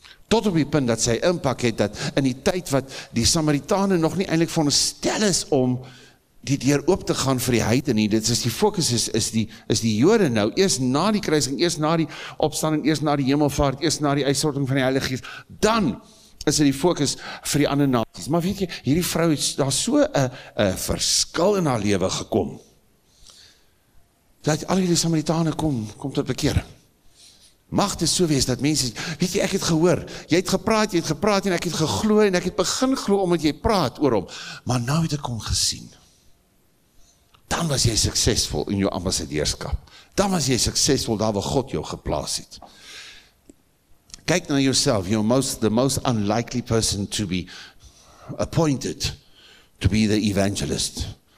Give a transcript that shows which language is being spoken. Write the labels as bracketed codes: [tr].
[af] tot op die punt dat sy inpak het, dat in die tyd wat die Samaritane nog nie eindelijk veronderstel is om die deur op te gaan vir die heidene nie, dit is die focus is die Jode nou, eerst na die kruising, eerst na die opstanding, eerst na die hemelvaart, eerst na die uitsorting van die Heilige Geest, dan is dit die focus vir die ander naties. Maar weet jy, hierdie vrou het daar so een verskil in haar leven gekom, dat al die Samaritane kom tot bekering. Mag dit so wees dat mense, weet jy, ek het gehoor, jy het gepraat en ek het geglo en ek het begin glo omdat jy praat oor hom, maar nou het ek hom gesien. Dan was jy suksesvol in jou ambassadeurskap. Dan was jy suksesvol daar waar God jou geplaas het. Kyk na jouself, [en] you're the most unlikely person to be appointed to be the evangelist.